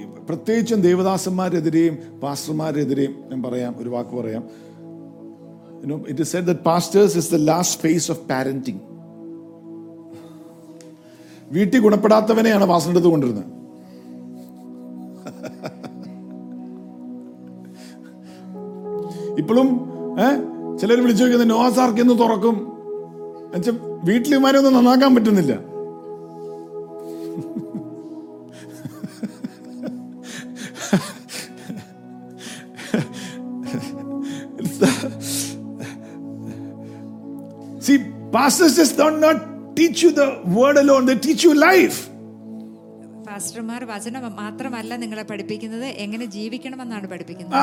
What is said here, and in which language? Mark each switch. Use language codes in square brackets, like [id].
[ml] പ്രത്യേകിച്ചും ദേവദാസന്മാരെതിരെയും പാസ്റ്റർമാരെതിരെയും ഞാൻ പറയാം, ഒരു വാക്ക് പറയാം. [en] You know, it is said that pastors is the last phase of parenting. [ml] വീട്ടിൽ ഗുണപ്പെടാത്തവനെയാണ് വാസനടുത്ത് കൊണ്ടിരുന്നത്. ഇപ്പോഴും ചിലർ വിളിച്ചു നോക്കുന്നത് നോവാസാർക്ക് എന്ന് തുറക്കും എന്നുവെച്ചാൽ വീട്ടിലിമാരെ ഒന്നും നന്നാക്കാൻ പറ്റുന്നില്ല. [en] See, pastors just don't teach you the word alone, they teach you life. [ml] പാസ്റ്റർമാർ വചനം മാത്രമല്ല നിങ്ങളെ പഠിപ്പിക്കുന്നത്, എങ്ങനെ ജീവിക്കണമെന്നാണ് പഠിപ്പിക്കുന്നത്.